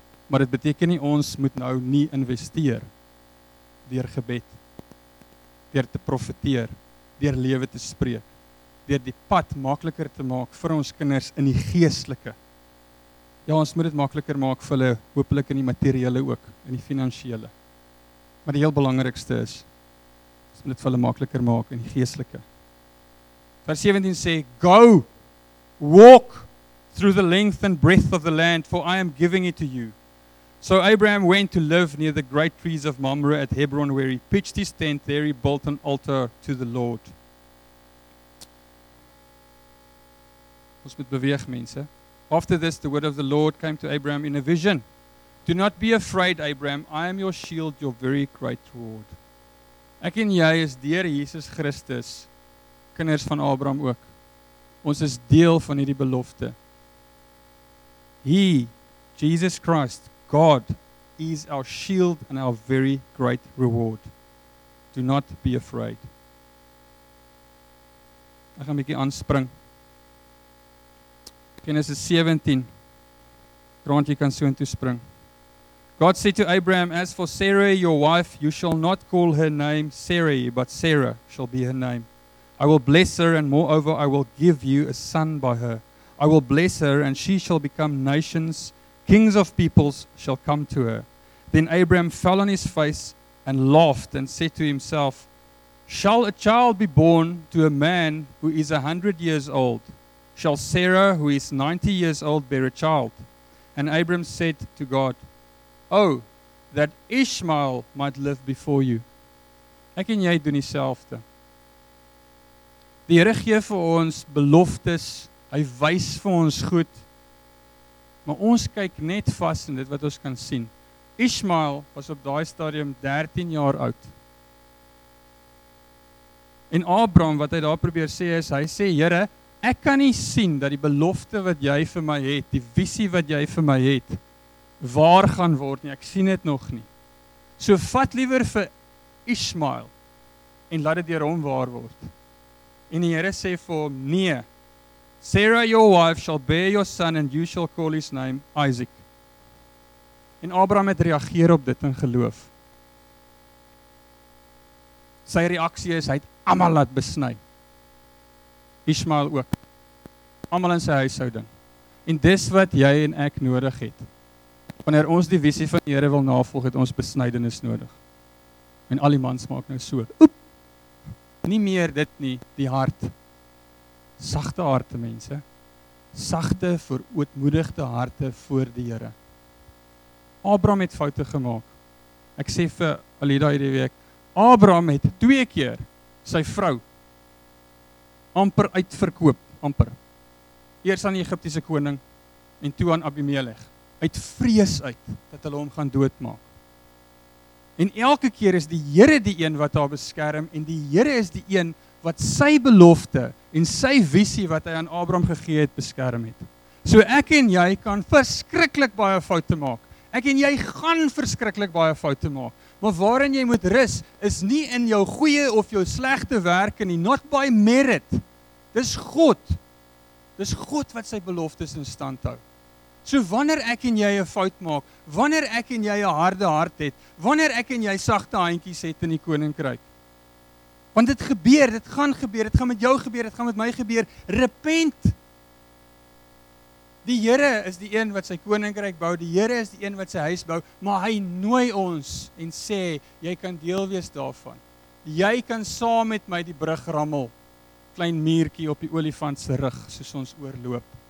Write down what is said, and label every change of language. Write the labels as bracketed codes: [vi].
[af] Maar dit beteken nie ons moet nou nie investeer deur gebed, deur te profeteer, deur lewe te spreek, deur die pad makliker te maak vir ons kinders in die geestelike. Ja, ons moet dit makliker maak vir hulle, hopelik in die materiële ook, in die finansiële. Maar die heel belangrikste is, ons moet dit vir hulle makliker maak in die geestelike. Vers 17 sê, [en] go, walk through the length and breadth of the land, for I am giving it to you. So Abraham went to live near the great trees of Mamre at Hebron, where he pitched his tent, there he built an altar to the Lord. [af] Ons moet beweeg, mense. [en] After this, the word of the Lord came to Abraham in a vision. Do not be afraid, Abraham. I am your shield, your very great reward. [af] Ek en jy is deur Jesus Christus, kinders van Abraham ook. Ons is deel van hierdie belofte. [en] He, Jesus Christ, God, is our shield and our very great reward. Do not be afraid. [af] Ek gaan 'n bietjie aanspring. [en] Genesis 17. [af] Grant, jy kan so intoe spring. [en] God said to Abraham, as for Sarah, your wife, you shall not call her name Sarah, but Sarah shall be her name. I will bless her, and moreover, I will give you a son by her. I will bless her, and she shall become nations. Kings of peoples shall come to her. Then Abraham fell on his face and laughed and said to himself, shall a child be born to a man who is 100 years old? Shall Sarah, who is 90 years old, bear a child? And Abraham said to God, oh, that Ishmael might live before you. [af] Ek en jy doen dieselfde. Die Here gee vir ons beloftes, hy wys vir ons goed, maar ons kyk net vas in dit wat ons kan sien. Ishmael was op daai stadium 13 jaar oud. En Abraham, wat hy daar probeer sê is, hy sê, Here, ek kan nie sien dat die belofte wat jy vir my het, die visie wat jy vir my het, waar gaan word nie, ek sien dit nog nie. So vat liever vir Ishmael en laat dit deur hom waar word. En die Here sê vir hom, nee, [en] Sarah your wife shall bear your son and you shall call his name Isaac. [af] En Abraham het reageer op dit in geloof. Sy reaksie is, hy het almal laat besny. Ishmael ook. Almal in sy huishouding. En dis wat jy en ek nodig het. Wanneer ons die visie van die Here wil navolg, het ons besnydenis nodig. En al die mans maak nou so. Oep! Nie meer dit nie, die hart. Sagte harte, mense. Sagte, verootmoedigde harte voor die Here. Abraham het foute gemaak. Ek sê vir Alida hierdie week, Abraham het 2 keer sy vrou amper uitverkoop, amper. Eers aan die Egiptiese koning en toe aan Abimelech. Uit vrees uit, dat hulle hom gaan doodmaak. En elke keer is die Here die een wat haar beskerm, en die Here is die een wat sy belofte en sy visie wat hy aan Abraham gegee het, beskerm het. So ek en jy kan verskriklik baie foute maak. Ek en jy gaan verskriklik baie foute maak. Maar waarin jy moet rus, is nie in jou goeie of jou slegte werke nie, [en] not by merit. [af] Dis God. Dis God wat sy beloftes in stand hou. So wanneer ek en jy 'n fout maak, wanneer ek en jy 'n harde hart het, wanneer ek en jy sagte handjies het in die koninkryk. Want dit gebeur, dit gaan gebeur, dit gaan met jou gebeur, dit gaan met my gebeur. [en] Repent. [af] Die Here is die een wat sy koninkryk bou, die Here is die een wat sy huis bou, maar hy nooi ons en sê, jy kan deel wees daarvan. Jy kan saam met my die brug rammel. Klein muurtjie op die olifant se rug, soos ons oorloop.